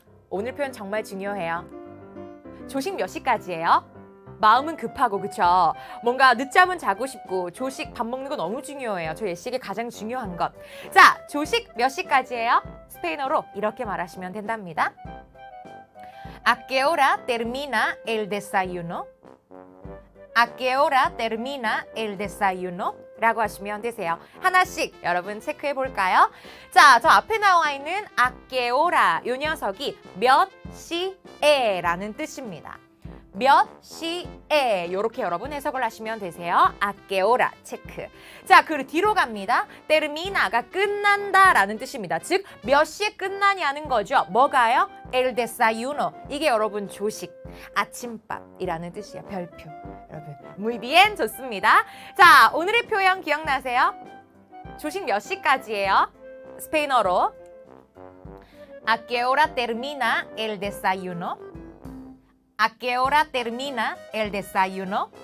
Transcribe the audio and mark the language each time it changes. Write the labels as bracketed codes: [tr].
[ko] 오늘 표현 정말 중요해요. 조식 몇 시까지예요? 마음은 급하고 그쵸? 뭔가 늦잠은 자고 싶고 조식 밥 먹는 거 너무 중요해요. 저 예씨에게 가장 중요한 것. 자 조식 몇 시까지예요? 스페인어로 이렇게 말하시면 된답니다. [es] ¿A qué hora termina el desayuno? ¿A qué hora termina el desayuno? [ko] 라고 하시면 되세요. 하나씩 여러분 체크해 볼까요? 자, 저 앞에 나와 있는 [es] ¿A qué hora? [ko] 요 녀석이 몇 시에 라는 뜻입니다. 몇 시에 이렇게 여러분 해석을 하시면 되세요. 아케오라 체크. 자 그 뒤로 갑니다. 테르미나가 끝난다 라는 뜻입니다. 즉 몇 시에 끝나냐는 거죠. 뭐가요? 엘데사유노. 이게 여러분 조식 아침밥이라는 뜻이에요. 별표 여러분 무이비엔 좋습니다. 자 오늘의 표현 기억나세요? 조식 몇 시까지예요? 스페인어로 아케오라 테르미나 엘데사유노. [es] ¿A qué hora termina el desayuno?